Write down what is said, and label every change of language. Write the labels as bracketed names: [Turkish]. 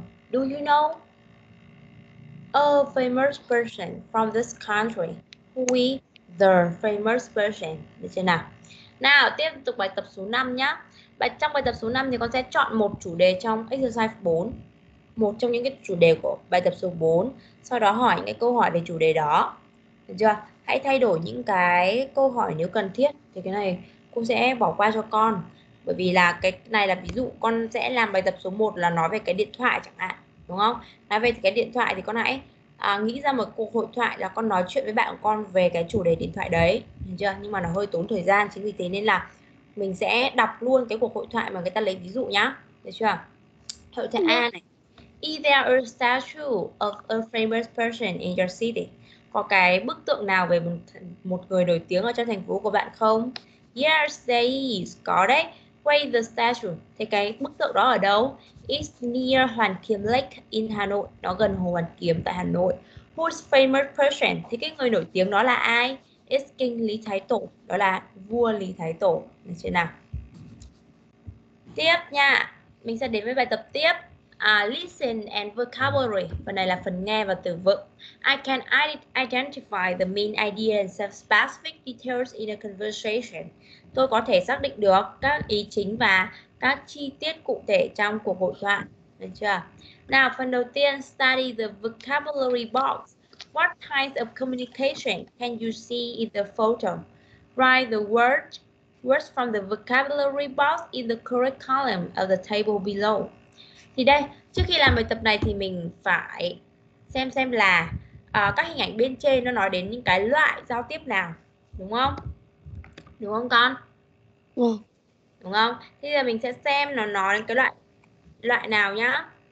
[English] Do you know a famous person from this country? Who is the famous person? [Vietnamese] Được chưa nào? Nào, tiếp tục bài tập số 5 nhé. Trong bài tập số 5 thì con sẽ chọn một chủ đề trong exercise 4, một trong những cái chủ đề của bài tập số 4, sau đó hỏi những cái câu hỏi về chủ đề đó. Được chưa? Hãy thay đổi những cái câu hỏi nếu cần thiết, thì cái này cô sẽ bỏ qua cho con. Bởi vì là cái này là ví dụ con sẽ làm bài tập số 1 là nói về cái điện thoại chẳng hạn, đúng không? Nói về cái điện thoại thì con hãy nghĩ ra một cuộc hội thoại là con nói chuyện với bạn của con về cái chủ đề điện thoại đấy. Được chưa? Nhưng mà nó hơi tốn thời gian, chính vì thế nên là mình sẽ đọc luôn cái cuộc hội thoại mà người ta lấy ví dụ nhá. Được chưa? Hội thoại A này. [English] Is there a statue of a famous person in your city? [Vietnamese] Có cái bức tượng nào về một người nổi tiếng ở trong thành phố của bạn không? [English] Yes, there is. [Vietnamese] Có đấy. [English] Where is the statue? [Vietnamese] Thế cái bức tượng đó ở đâu? [English] It's near Hoàn Kiếm Lake in Hà Nội. [Vietnamese] Nó gần Hồ Hoàn Kiếm tại Hà Nội. [English] Who's famous person? [Vietnamese] Thế cái người nổi tiếng đó là ai? [English] It's King Lý Thái Tổ, [Vietnamese] đó là vua Lý Thái Tổ. Được chưa nào? Tiếp nha, mình sẽ đến với bài tập tiếp. [English] Listen and vocabulary. [Vietnamese] Phần này là phần nghe và từ vựng. [English] I can identify the main ideas and specific details in a conversation. [Vietnamese] Tôi có thể xác định được các ý chính và các chi tiết cụ thể trong cuộc hội thoại. Được chưa? Nào, phần đầu tiên, [English] study the vocabulary box. What types of communication can you see in the photo? Write the words from the vocabulary box in the correct column of the table below. [Vietnamese] Thì đây, trước khi làm bài tập này thì mình phải xem là các hình ảnh bên trên nó nói đến những cái loại giao tiếp nào. Đúng không? Đúng không con? Đúng không? Thì giờ mình sẽ xem nó nói đến cái loại nào nhá.